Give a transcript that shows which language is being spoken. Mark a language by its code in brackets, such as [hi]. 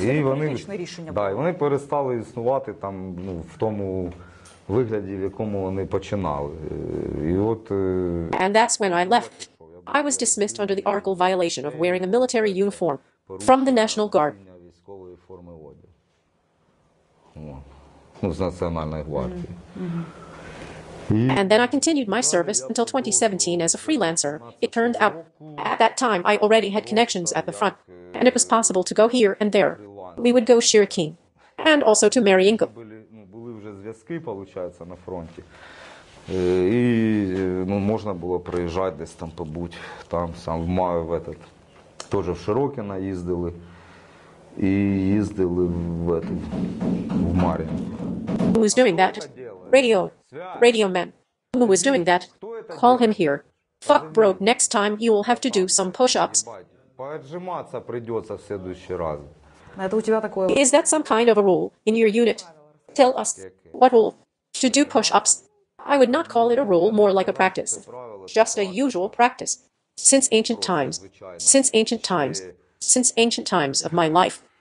[uk] Ну, і вони, да, і вони перестали існувати там, ну, в тому вигляді, в якому вони починали. І от [en] And that's when I left. I was dismissed under the article violation of wearing a military uniform from the National Guard. [uk] Військової форми одягу. З Національної гвардії. [en] And then I continued my service until 2017 as a freelancer. It turned out, at that time, I already had connections at the front, and it was possible to go here and there. We would go Shyrokyne, and also to Mariinka. [uk] Були вже зв'язки, получається, на фронті. І, ну, можна було приїжджати десь там побути, там сам в маю в этот теж в Широкіна їздили і їздили в этот в Мар'їнку. [en] Who was doing that? Radio. Radio man. Who was doing that? Call him here. Fuck, bro, next time you will have to do some push-ups. [ru] Поджиматься придется в следующий раз. [en] Is that some kind of a rule in your unit? Tell us. What rule? To do push-ups? I would not call it a rule, more like a practice. Just a usual practice. Since ancient times. Since ancient times. Since ancient times of my life.